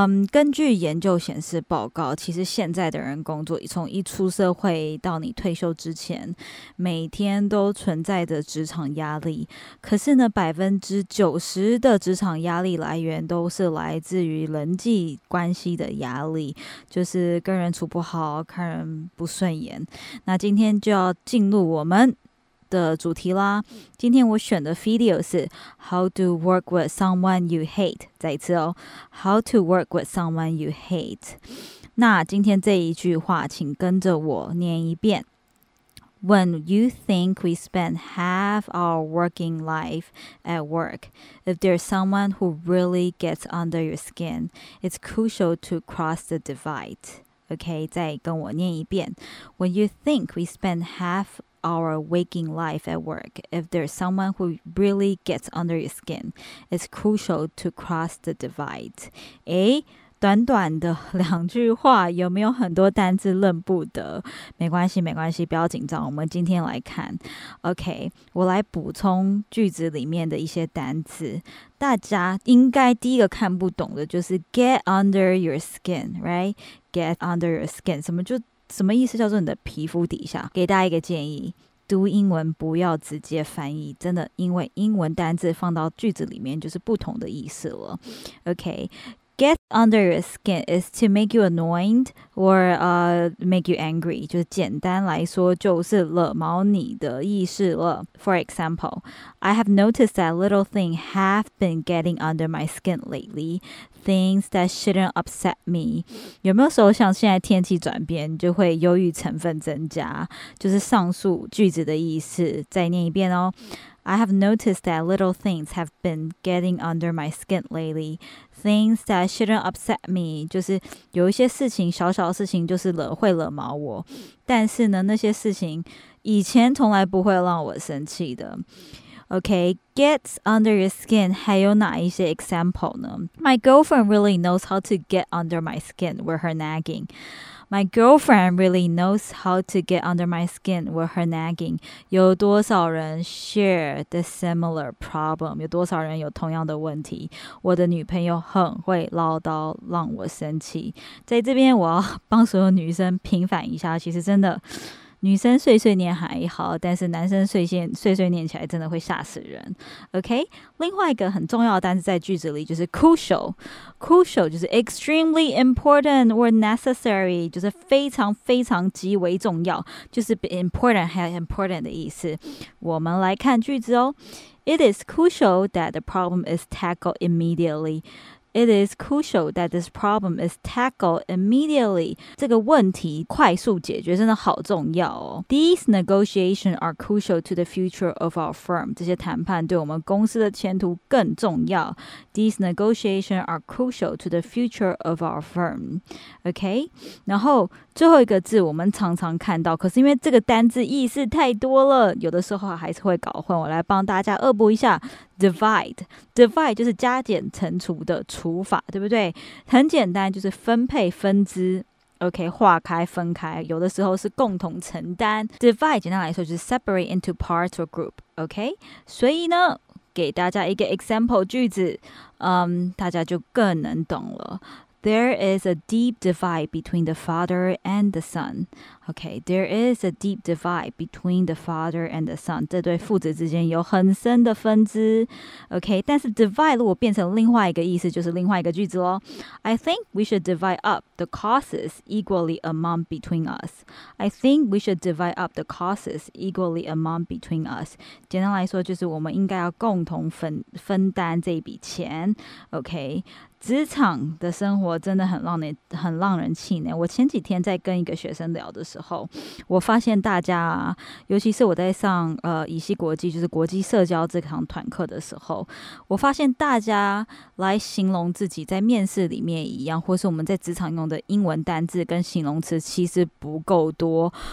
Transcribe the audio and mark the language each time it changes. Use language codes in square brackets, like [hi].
[zh] 根据研究显示报告，其实现在的人工作，从一出社会到你退休之前，每天都存在着职场压力，可是呢，90%的职场压力来源都是来自于人际关系的压力，就是跟人处不好，看人不顺眼。那今天就要进入我们的主题啦。今天我选的 video 是 [en] How to work with someone you hate。 [zh] 再一次哦， [en] How to work with someone you hate。 [zh] 那今天这一句话，请跟着我念一遍。 [en] When you think we spend half our working life at work, if there's someone who really gets under your skin, it's crucial to cross the divide. [zh] OK，再跟我念一遍。 [en] When you think we spend half our waking life at work, if there's someone who really gets under your skin, it's crucial to cross the divide. [zh] 诶，短短的两句话，有没有很多单字认不得？没关系，没关系，不要紧张。我们今天来看，OK，我来补充句子里面的一些单字。大家应该第一个看不懂的就是 [en] get under your skin， [zh] right？get under your skin，什么意思？叫做你的皮肤底下。给大家一个建议。读英文不要直接翻译，真的，因为英文单字放到句子里面就是不同的意思了。 [en] OK，get under your skin is to make you annoyed or make you angry， [zh] 就是简单来说就是惹毛你的意思了。 [en] For example，I have noticed that little thing have been getting under my skin lately. Things that shouldn't upset me， [zh] 有没有时候像现在天气转变，就会忧郁成分增加？就是上述句子的意思，再念一遍哦。 [en] I have noticed that little things have been getting under my skin lately. Things that shouldn't upset me， [zh] 就是有一些事情，小小的事情，就是惹毛我。但是呢，那些事情以前从来不会让我生气的。 [en] OK，gets under your skin [zh] 还有哪一些 [en] example 呢？My girlfriend really knows how to get under my skin with her nagging. My girlfriend really knows how to get under my skin with her nagging. [zh] 有多少人 [en] share the similar problem？ [zh] 有多少人有同样的问题？我的女朋友很会唠叨，让我生气。在这边，我要帮所有女生平反一下，其实真的。女生碎碎念还好，但是男生碎碎念起来真的会吓死人。 OK，另外一个很重要的单词在句子里就是 crucial，crucial 就是 [en] extremely important or necessary， [zh] 就是非常非常极为重要，就是 important 还有 important 的意思。我们来看句子哦。 [en] It is crucial that the problem is tackled immediately. It is crucial that this problem is tackled immediately. [zh] 这个问题快速解决真的好重要哦。 [en] These negotiations are crucial to the future of our firm. [zh] 这些谈判对我们公司的前途更重要。 [en] These negotiations are crucial to the future of our firm. OK? [zh] 然后最后一个字我们常常看到，可是因为这个单字意思太多了，有的时候还是会搞混。我来帮大家恶补一下。 Divide 就是加减乘除的除法，对不对？很简单，就是分配、分支。 OK， 划开分开，有的时候是共同承担。 [en] Divide [zh] 简单来说就是 [en] separate into parts or group。 [zh] OK， 所以呢，给大家一个 example 句子，大家就更能懂了。 [en] There is a deep divide between the father and the son. Okay, there is a deep divide between the father and the son. [zh] 这对父子之间有很深的分支。Okay, 但是 divide 如果变成另外一个意思，就是另外一个句子咯。 [en] I think we should divide up the causes equally among between us. I think we should divide up the causes equally among between us. [zh] 简单来说，就是我们应该要共同 分担这笔钱。 [en] Okay. [zh] 职场的生活真的很让人气馁。我前几天在跟一个学生聊的时候，我发现大家，尤其是我在上以西国际，就是国际社交这堂团课的时候，我发现大家来形容自己在面试里面一样，或是我们在职场用的英文单字跟形容词其实不够多。